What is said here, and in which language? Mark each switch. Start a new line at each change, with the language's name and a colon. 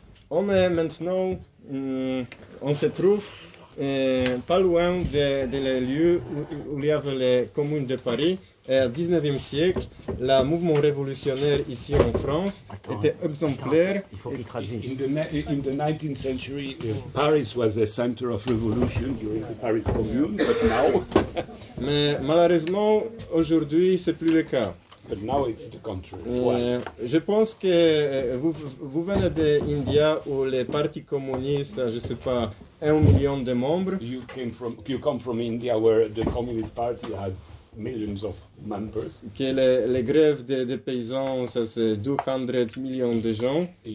French: On est maintenant... on se trouve pas loin des lieux où il y avait les communes de Paris. Et au 19e siècle, le mouvement révolutionnaire ici en France était exemplaire. Il faut qu'il traduise.
English: In the 19th century, Paris was the center of revolution during the Paris Commune, but now...
French: Mais malheureusement, aujourd'hui, ce n'est plus le cas.
English: But now it's the contrary.
French: Je pense que vous venez d'India où les partis communistes, je ne sais pas, 1 million de membres.
English: You come from India where the Communist Party has... millions of members.
French: Que les grèves des paysans, ça c'est 200 millions de gens.